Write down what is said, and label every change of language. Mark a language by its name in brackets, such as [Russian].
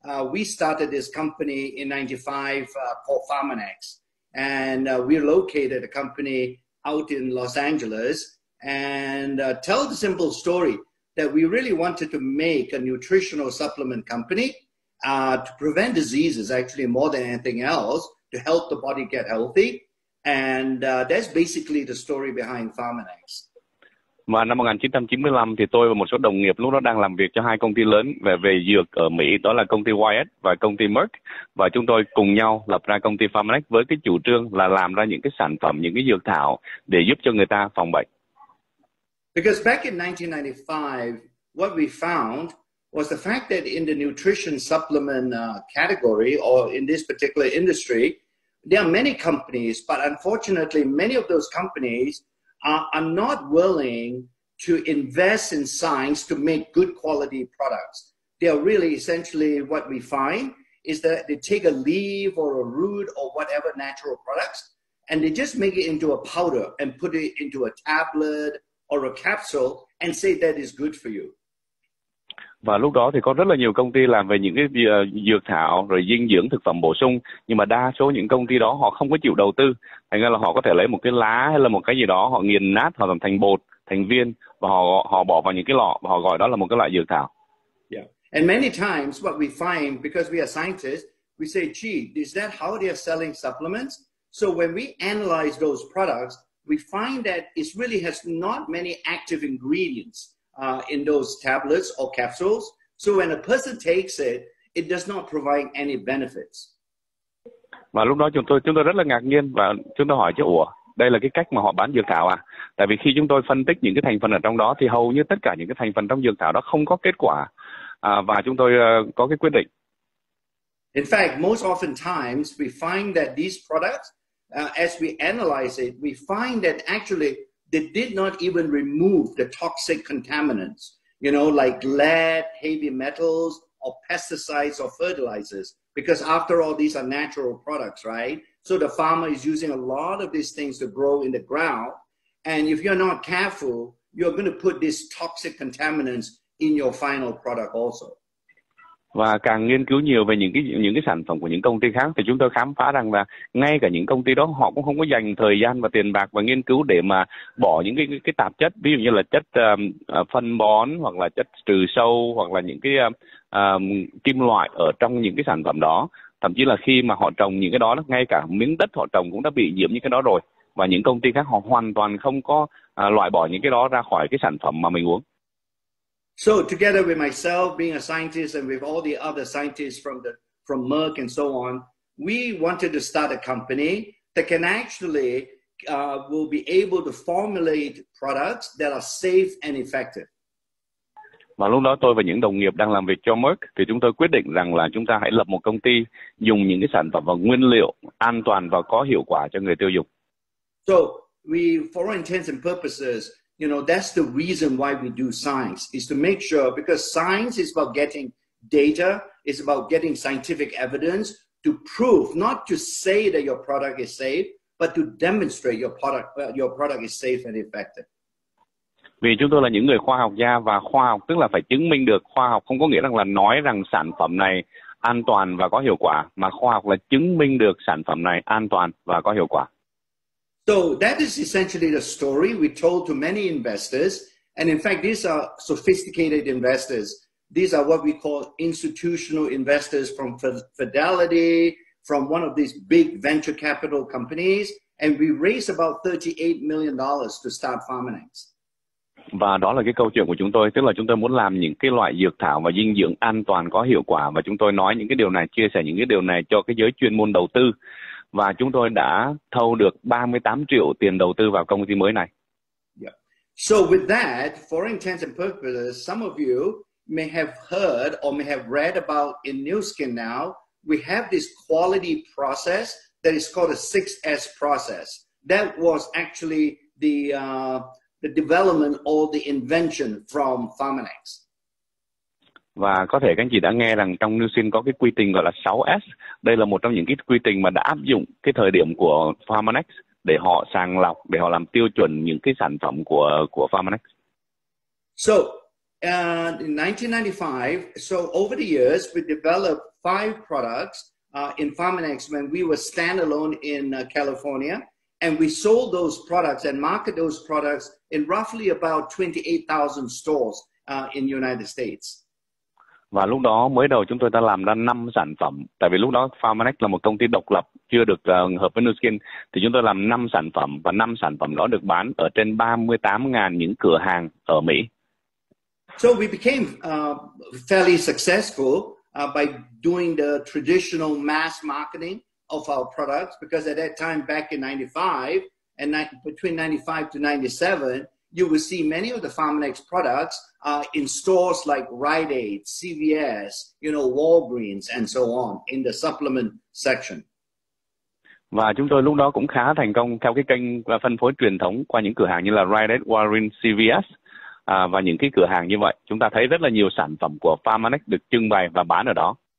[English] we started this company in 95 called Pharmanex, and we located a company out in Los Angeles and tell the simple story that we really wanted to make a nutritional supplement company to prevent diseases, actually more than anything else, to help the body get healthy. And that's basically the story behind Pharmanex. [Vietnamese] Và năm 1995 thì tôi và một số đồng nghiệp lúc đó đang làm việc cho hai công ty lớn về dược ở Mỹ, đó là công ty Wyeth và công ty Merck. Và chúng tôi cùng nhau lập ra công ty Pharmanex với cái chủ trương là làm ra những cái sản phẩm, những cái dược thảo để giúp cho người ta phòng bệnh. [English] Because back in 1995, what we found was the fact that in the nutrition supplement category or in this particular industry, there are many companies, but unfortunately, many of those companies are not willing to invest in science to make good quality products. They are really essentially what we find is that they take a leaf or a root or whatever natural products and they just make it into a powder and put it into a tablet or a capsule and say that is good for you. [Vietnamese] Và lúc đó thì có rất là nhiều công ty làm về những cái dược thảo rồi dinh dưỡng thực phẩm bổ sung, nhưng mà đa số những công ty đó họ không có chịu đầu tư, thành ra là họ có thể lấy một cái lá hay là một cái gì đó họ nghiền nát, họ làm thành bột, thành viên và họ bỏ vào những cái lọ và họ gọi đó là một cái loại dược thảo. [English] Yeah. And many times what we find, because we are scientists, we say, gee, is that how they are selling supplements? So when we analyze those products, we find that it really has not many active ingredients in those tablets or capsules. So when a person takes it, it does not provide any benefits. [Vietnamese] Và lúc đó chúng tôi rất là ngạc nhiên và chúng tôi hỏi chứ ủa, đây là cái cách mà họ bán dược thảo à? Tại vì khi chúng tôi phân tích những cái thành phần ở trong đó thì hầu như tất cả những cái thành phần trong dược thảo đó không có kết quả. Và chúng tôi có cái quyết định. [English] In fact, most often times we find that these products, as we analyze it, we find that actually they did not even remove the toxic contaminants, you know, like lead, heavy metals, or pesticides or fertilizers. Because after all, these are natural products, right? So the farmer is using a lot of these things to grow in the ground. And if you're not careful, you're going to put these toxic contaminants in your final product also. [Vietnamese] Và càng nghiên cứu nhiều về những cái sản phẩm của những công ty khác thì chúng tôi khám phá rằng là ngay cả những công ty đó họ cũng không có dành thời gian và tiền bạc và nghiên cứu để mà bỏ những cái tạp chất, ví dụ như là chất phân bón hoặc là chất trừ sâu hoặc là những cái kim loại ở trong những cái sản phẩm đó. Thậm chí là khi mà họ trồng những cái đó, ngay cả miếng đất họ trồng cũng đã bị nhiễm những cái đó rồi và những công ty khác họ hoàn toàn không có loại bỏ những cái đó ra khỏi cái sản phẩm mà mình uống. [English] So together with myself being a scientist and with all the other scientists from Merck and so on, we wanted to start a company that can actually will be able to formulate products that are safe and effective. [Vietnamese] Và lúc đó tôi và những đồng nghiệp đang làm việc cho Merck thì chúng tôi quyết định rằng là chúng ta hãy lập một công ty dùng những cái sản phẩm và nguyên liệu an toàn và có hiệu quả cho người tiêu dùng. [English] So we, for all intents and purposes, you know, that's the reason why we do science, is to make sure, because science is about getting data, it's about getting scientific evidence to prove, not to say that your product is safe, but to demonstrate your product is safe and effective. [Vietnamese] Vì chúng tôi là những người khoa học gia, và khoa học tức là phải chứng minh được. Khoa học không có nghĩa rằng là nói rằng sản phẩm này an toàn và có hiệu quả, mà khoa học là chứng minh được sản phẩm này an toàn và có hiệu quả. [English] So that is essentially the story we told to many investors. And in fact, these are sophisticated investors. These are what we call institutional investors from Fidelity, from one of these big venture capital companies. And we raised about $38 million to start Pharmanex. [Vietnamese] Và đó là cái câu chuyện của chúng tôi, tức là chúng tôi muốn làm những cái loại dược thảo và dinh dưỡng an toàn có hiệu quả, và chúng tôi nói những cái điều này, chia sẻ những cái điều này cho cái giới chuyên môn đầu tư, và chúng tôi đã thâu được 38 triệu tiền đầu tư vào công ty mới này. [English] Yeah. So with that, for intents and purposes, some of you may have heard or may have read about in New Skin Now, we have this quality process that is called a 6S process. That was actually the development or the invention from Pharmanex. [Vietnamese] Và có thể các anh chị đã nghe rằng trong New Skin có cái quy trình gọi là 6S. Đây là một trong những cái quy trình mà đã áp dụng cái thời điểm của Pharmanex để họ sàng lọc, để họ làm tiêu chuẩn những cái sản phẩm của Pharmanex. [English] So, in 1995, so over the years we developed 5 products in Pharmanex when we were standalone in California. And we sold those products and market those products in roughly about 28,000 stores in the United States. [Vietnamese] Và lúc đó mới đầu chúng tôi đã làm ra 5 sản phẩm. Tại vì lúc đó Pharmanex là một công ty độc lập, chưa được hợp với Nu Skin. Thì chúng tôi làm 5 sản phẩm, và 5 sản phẩm đó được bán ở trên 38,000 những cửa hàng ở Mỹ. [English] So we became fairly successful by doing the traditional mass marketing of our products, because at that time back in 95 and between 95 to 97, you will see many of the Pharmanex products in stores like Rite Aid, CVS, you know, Walgreens and so on in the supplement section. [Vietnamese] Và chúng tôi lúc đó cũng khá thành công theo cái kênh phân phối truyền thống qua những cửa hàng như là Rite Aid, Walgreens, CVS và những cái cửa hàng như vậy. Chúng ta thấy rất là nhiều sản phẩm của Pharmanex được trưng bày và bán ở đó.